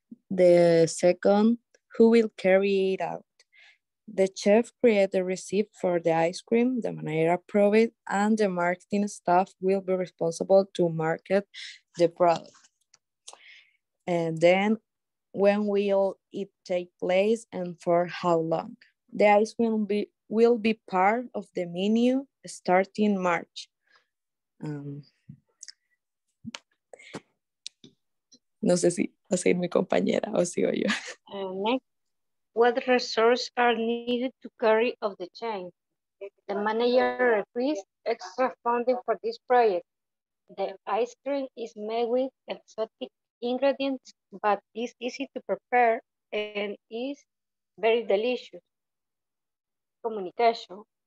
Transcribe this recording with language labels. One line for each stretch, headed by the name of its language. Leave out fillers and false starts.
English: The second, who will carry it out? The chef created a receipt for the ice cream, the manager approved it, and the marketing staff will be responsible to market the product. And then, when will it take place and for how long? The ice cream will be part of the menu starting March.
Spanish: No sé si va a seguir mi compañera o sigo yo.
English: Next, what resources are needed to carry out the change? The manager requests extra funding for this project. The ice cream is made with exotic ingredients, but is easy to prepare and is very delicious. Communication.